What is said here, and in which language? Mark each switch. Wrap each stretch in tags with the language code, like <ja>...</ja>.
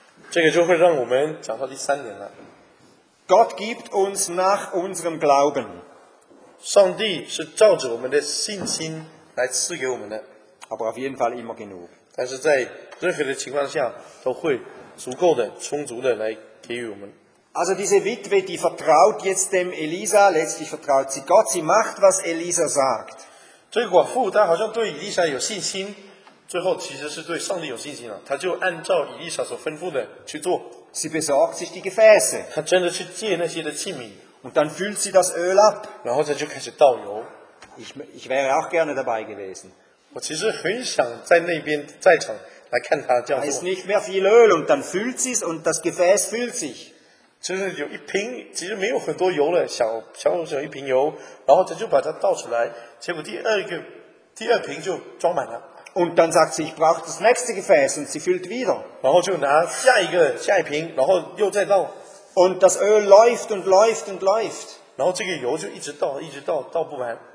<zh>这个就会让我们讲到第三点了。</zh> <de>Gott gibt uns nach unserem Glauben.</de> <zh>上帝是照着我们的信心来赐给我们的。</zh> <de>Aber auf jeden Fall immer genug.</de> <zh>但是在任何的情况下都会足够的、充足的来给予我们。</zh> <de>Also diese Witwe, die vertraut jetzt dem Elisa, letztlich vertraut sie Gott, sie macht, was Elisa sagt.</de> <zh>这个寡妇她好像对以利沙有信心，最后其实是对上帝有信心了，她就按照以利沙所吩咐的去做。</zh> <de>Sie besorgt sich die Gefäße.</de> <zh>她真的去借那些的器皿。</zh> <de>Und dann füllt sie das Öl ab.</de> <zh>然后她就开始倒油。</zh> <de>Ich wäre auch gerne dabei gewesen.</de> <zh>我其实很想在那边在场来看她这样做。</zh> <de>Es ist nicht mehr viel Öl und dann füllt sie es und das Gefäß füllt sich.</de> <zh>就是有一瓶，其实没有很多油了，小一瓶油，然后她就把它倒出来。结果第二瓶就装满了。</zh> <de>Und dann sagt sie, ich brauche das nächste Gefäß und sie füllt wieder.</de> <zh>然后就拿下一瓶，然后又再倒。</zh> <de>Und das Öl läuft und läuft und läuft.</de> <zh>然后这个油就一直倒，一直倒，倒不完。</zh>